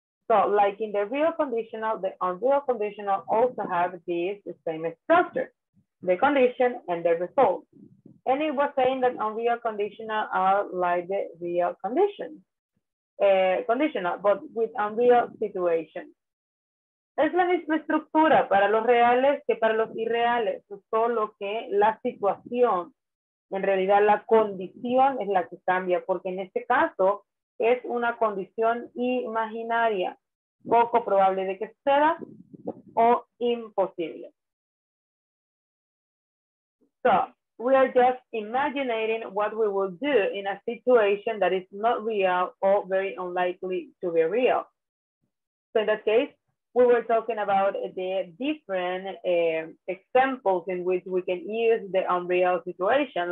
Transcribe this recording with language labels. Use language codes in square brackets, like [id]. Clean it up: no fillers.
[en] So like in the real conditional, the unreal conditional also have this same structure, the condition and the result. And it was saying that unreal conditional are like the real condition, conditional, but with unreal situation. [es] Es la misma estructura para los reales que para los irreales, solo que la situación. En realidad, la condición es la que cambia, porque en este caso es una condición imaginaria, poco probable de que suceda o imposible. [en] So, we are just imagining what we will do in a situation that is not real or very unlikely to be real. So, in that case, we were talking about the different examples in which we can use the unreal situation.